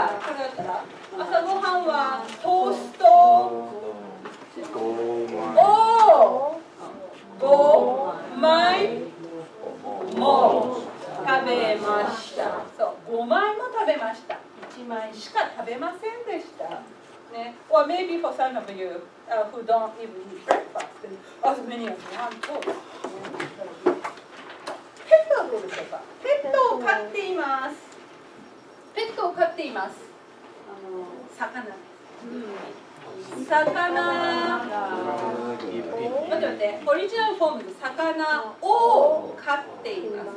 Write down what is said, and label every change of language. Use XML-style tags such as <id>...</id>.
<ja>これだったら朝ごはんはトーストを5枚も食べました。そう、5枚も食べました。1枚しか食べませんでした。</ja> <en>ね、or maybe for some of you who don't even eat breakfast, as many as one toast.</en> <ja>ペットはどうでしょうか？ペットを飼っています。ペットを飼っています。魚。うん、魚。待って、オリジナルフォームで魚を飼っています。</ja>